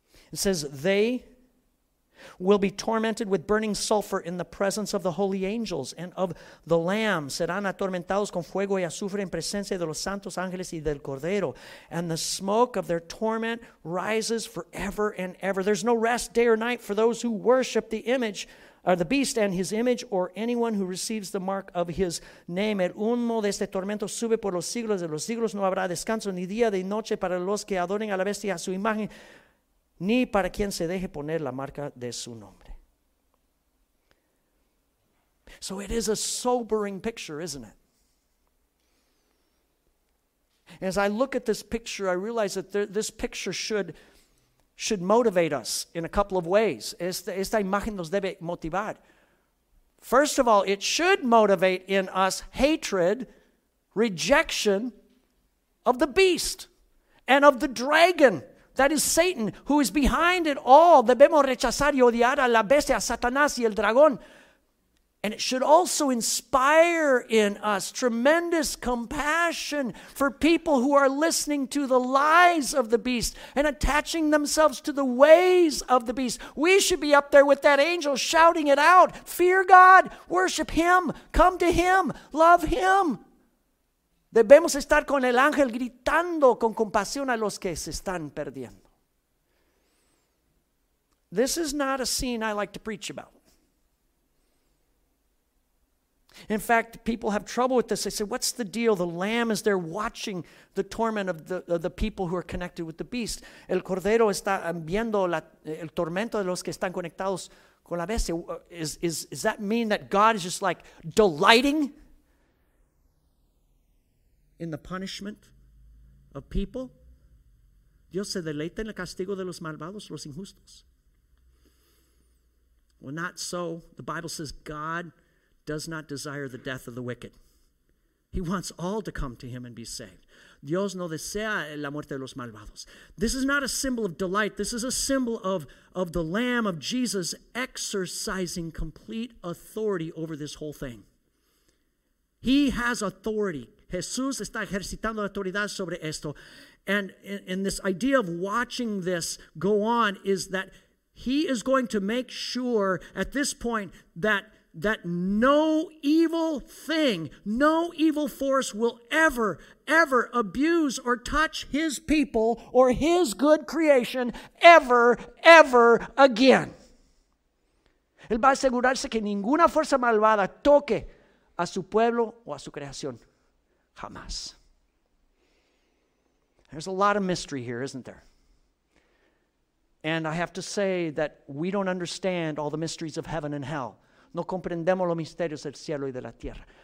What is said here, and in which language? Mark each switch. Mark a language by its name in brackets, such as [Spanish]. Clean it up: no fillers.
[English] It says, "They will be tormented with burning sulfur in the presence of the holy angels and of the Lamb. [Spanish] Serán atormentados con fuego y azufre en presencia de los santos ángeles y del Cordero. [English] And the smoke of their torment rises forever and ever." There's no rest day or night for those who worship the image or the beast and his image, or anyone who receives the mark of his name. [Spanish] El humo de este tormento sube por los siglos de los siglos. No habrá descanso ni día ni noche para los que adoren a la bestia, a su imagen, ni para quien se deje poner la marca de su nombre. [English] So it is a sobering picture, isn't it? And as I look at this picture, I realize that this picture should motivate us in a couple of ways. [Spanish] Esta imagen nos debe motivar. [English] First of all, it should motivate in us hatred, rejection of the beast and of the dragon. That is Satan, who is behind it all. [Spanish] Debemos rechazar y odiar a la bestia, a Satanás y el dragón. [English] And it should also inspire in us tremendous compassion for people who are listening to the lies of the beast and attaching themselves to the ways of the beast. We should be up there with that angel shouting it out. Fear God, worship Him, come to Him, love Him. [Spanish] Debemos estar con el ángel gritando con compasión a los que se están perdiendo. [English] This is not a scene I like to preach about. In fact, people have trouble with this. They say, what's the deal? The lamb is there watching the torment of the people who are connected with the beast. [Spanish] El cordero está viendo el tormento de los que están conectados con la bestia. [English] Is that mean that God is just like delighting in the punishment of people? [Spanish] Dios se deleita en el castigo de los malvados, los injustos. [English] Well, not so. The Bible says God does not desire the death of the wicked. He wants all to come to Him and be saved. [Spanish] Dios no desea la muerte de los malvados. [English] This is not a symbol of delight. This is a symbol of the Lamb of Jesus exercising complete authority over this whole thing. He has authority. [Spanish] Jesús está ejercitando autoridad sobre esto. [English] And in this idea of watching this go on is that He is going to make sure at this point that no evil thing, no evil force will ever, ever abuse or touch His people or His good creation ever, ever again. [Spanish] Él va a asegurarse que ninguna fuerza malvada toque a su pueblo o a su creación. Jamás. [English] There's a lot of mystery here, isn't there? And I have to say that we don't understand all the mysteries of heaven and hell. [Spanish] No comprendemos los misterios del cielo y de la tierra.